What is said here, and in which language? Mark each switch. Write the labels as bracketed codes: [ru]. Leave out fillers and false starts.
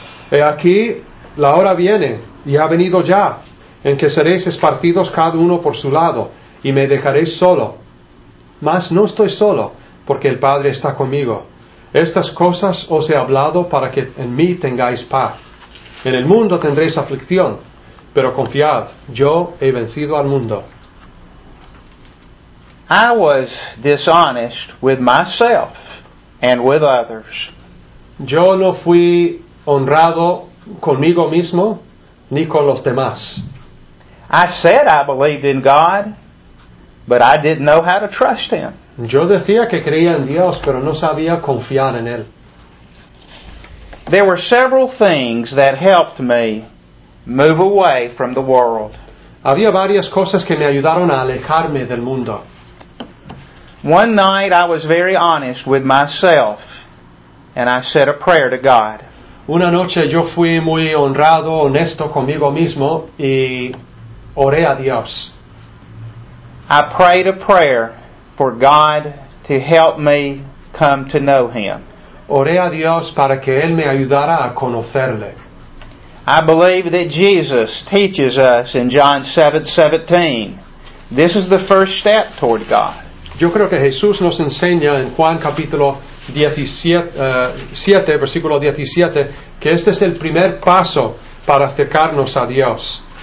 [es] He aquí, la hora viene, y ha venido ya, en que seréis esparcidos cada uno por su lado, y me dejaréis solo. Mas no estoy solo, porque el Padre está conmigo. Estas cosas os he hablado para que en mí tengáis paz. En el mundo tendréis aflicción, pero confiad, yo he vencido al mundo. [en] I was dishonest with myself and with others. [es] Yo no fui honrado conmigo mismo ni con los demás. [en] I said I believed in God, but I didn't know how to trust Him. [es] Yo decía que creía en Dios, pero no sabía confiar en Él. [en] There were several things that helped me move away from the world. [es] Había varias cosas que me ayudaron a alejarme del mundo. [en] One night I was very honest with myself and I said a prayer to God. [es] Una noche yo fui muy honrado, honesto conmigo mismo y oré a Dios. [en] I prayed a prayer for God to help me come to know Him. [es] Oré a Dios para que Él me ayudara a conocerle. [en] I believe that Jesus teaches us in John 7:17. This is the first step toward God. [es] Yo creo que Jesús nos enseña en Juan capítulo 7, versículo 17, que este es el primer paso para acercarnos a Dios.